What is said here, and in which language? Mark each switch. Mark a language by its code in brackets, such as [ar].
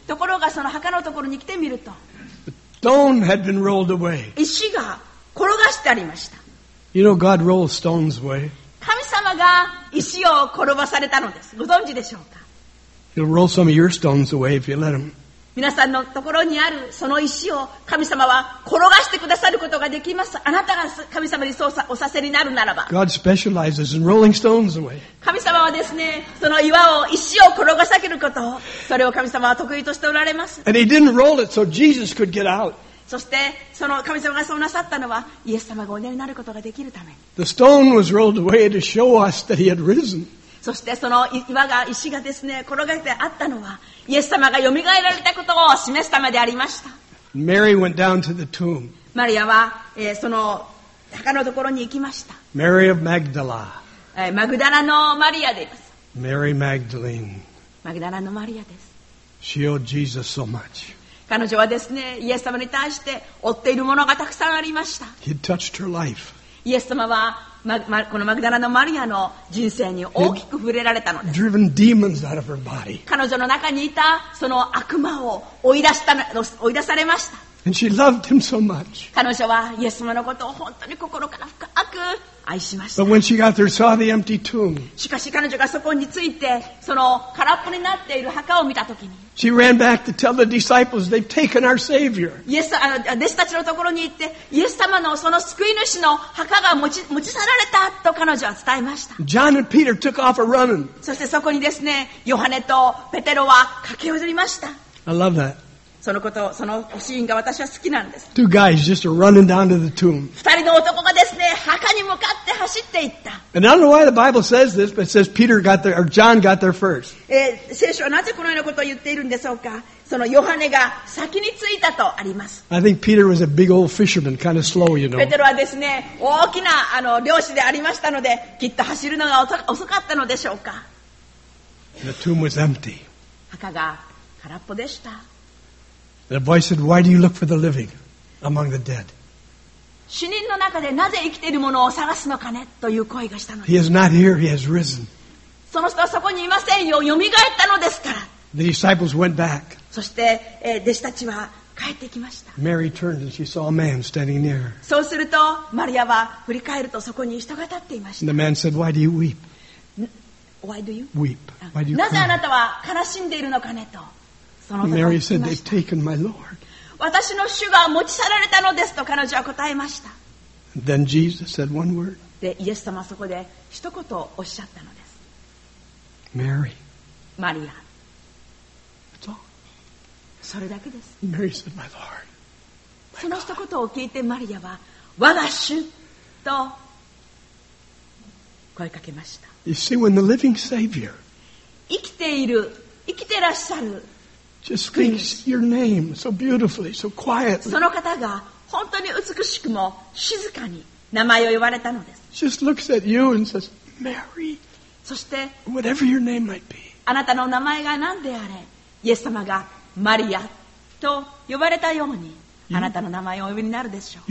[ja] ところがその墓のところに来てみると [en] stone had been rolled away. [ja] 石が転がしてありました。 [en] You know, God rolls stones away. [ja] 神様が石を転ばされたのです。ご存知でしょうか。 [en] He'll roll some of your stones away if you let him. [ja] 皆さんのところにあるその石を神様は転がしてくださることができます。あなたが神様にそうおさせになるならば。 [en] God specializes in rolling stones away. [ja] 神様はですね、その岩を、石を転がさけることを、それを神様は得意としておられます。 [en] And he didn't roll it so Jesus could get out. [ja] そして、その神様がそうなさったのは、イエス様がお寝になることができるために。 [en] The stone was rolled away to show us that he had risen. [ja] そしてその岩が石がですね転がってあったのはイエス様がよみがえられたことを示すためでありました。 [en] マリア went down to the tomb. [ja] マリアは、その墓のところに行きました。 [en] マリア of Magdala. [ja] マグダラのマリアです。 [en] マリア Magdalene. [ja] マグダラのマリアです。 [en] She owed Jesus so much. [ja] 彼女はですねイエス様に対して負っているものがたくさんありました。 [en] He touched her life. [ja] イエス様はこのマグダラのマリアの人生に大きく触れられたのです。 [en] Driven demons out of her body. [ja] 彼女の中にいたその悪魔を追い出されました。 [en] And she loved him so much. [ja] 彼女はイエス様のことを本当に心から深く愛しました。 [en] But when she got there, saw the empty tomb. [ja] しかし彼女がそこについてその空っぽになっている墓を見たときに、 [en] She ran back to tell the disciples they've taken our Savior. [ja] イエス弟子たちのところに行って、イエス様のその救い主の墓が持ち去られたと彼女は伝えました。 [en] John and Peter took off a running. [ja] そしてそこにですね、ヨハネとペテロは駆け踊りました。 [en] I love that. [ja] そのこと、そのシーンが私は好きなんです。 [en] Two guys just running down to the tomb. [ja] 二人の男がですね、墓に向かって走っていった。 [en] And I don't know why the Bible says this, but it says Peter got there, or John got there first. [ja] 聖書はなぜこのようなことを言っているんでしょうか。そのヨハネが先に着いたとあります。 [en] I think Peter was a big old fisherman, kind of slow, you know. [ja] ペテロはですね、大きな漁師でありましたので、きっと走るのが遅かったのでしょうか。 [en] The tomb was empty. [ja] 墓が空っぽでした。 [en] And a voice said, "Why do you look for the living among the dead?" [ja] 死人の中でなぜ生きているものを探すのかねという声がしたのです。 [en] He is not here. He has risen. [ja] その人はそこにいませんよ。よみがえったのですから。 [en] The disciples went back. [ja] そして弟子たちは帰ってきました。 [en] Mary turned and she saw a man standing near her. [ja] そうするとマリアは振り返るとそこに人が立っていました。 [en] And the man said, "Why do you weep?" Why do you weep? Why do you [ja] なぜあなたは悲しんでいるのかねと。その時 [en] Mary said, they've taken my Lord. [ja] 私の主が持ち去られたのですと彼女は答えました。 [en] Then Jesus said one word. [ja] で、イエス様はそこで一言おっしゃったのです。 [en] Mary. [ja] マリア。 [en] That's all. [ja] それだけです。 [en] Mary said, my Lord. [ja] その一言を聞いてマリアは、我が主と声かけました。 [en] You see, when the living Savior [ja] 生きている、生きてらっしゃる [en] just speaks your name so beautifully, so quietly. [ja] その方が本当に美しくも静かに名前を呼ばれたのです。 [en] Just looks at you and says, Mary, [ja] そして [en] whatever your name might be. [ja] あなたの名前が何であれ、イエス様がマリアと呼ばれたようにあなたの名前をお呼びになるでしょう。